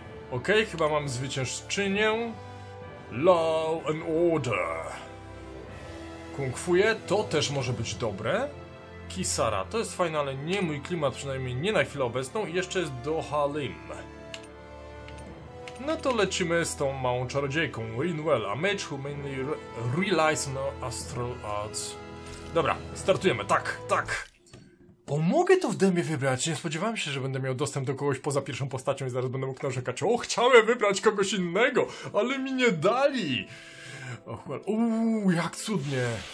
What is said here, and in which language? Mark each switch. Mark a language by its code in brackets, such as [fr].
[pl] Okej, okay, chyba mam zwyciężczynię. Law and Order. Kung Fuje, to też może być dobre. Kisara, to jest fajne, ale nie mój klimat, przynajmniej nie na chwilę obecną. I jeszcze jest Dohalim. No to lecimy z tą małą czarodziejką. [en] Rinwell, a mage who mainly relies on astral arts. [pl] Dobra, startujemy, tak, tak. Bo mogę to w demie wybrać, nie spodziewałem się, że będę miał dostęp do kogoś poza pierwszą postacią i zaraz będę mógł narzekać. O, chciałem wybrać kogoś innego, ale mi nie dali! Och, jak cudnie!